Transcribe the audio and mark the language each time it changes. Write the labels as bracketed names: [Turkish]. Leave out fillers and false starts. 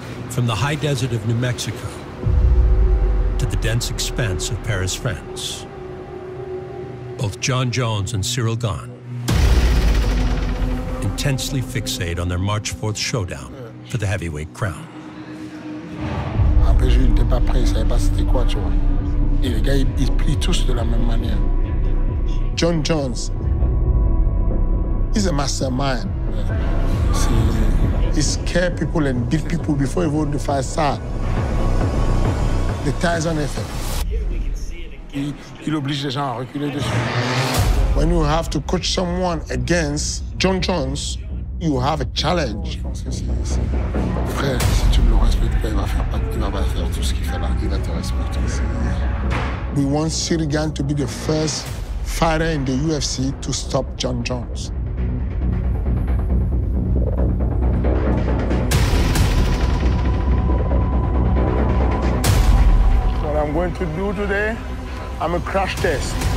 [English] From the high desert of New Mexico to the dense expanse of Paris, France, both John Jones and Cyril Gane intensely fixate on their March 4th showdown for the heavyweight crown. [French] Après, je n'étais pas prêt, je savais pas c'était quoi, tu vois. Et les gars, ils plient tous de la même manière. [English] John Jones, he's a mastermind. He scare people and beat people before even the fight start. The Tyson effect. [French] Il oblige les gens à reculer dessus. [English] When you have to coach someone against John Jones, you have a challenge. [French] Frère, si tu ne le respectes pas, il va pas faire tout ce qu'il fait là. Il va te respecter. [English] We want Cyril Gane to be the first fighter in the UFC to stop John Jones. I'm going to do today, I'm a crash test.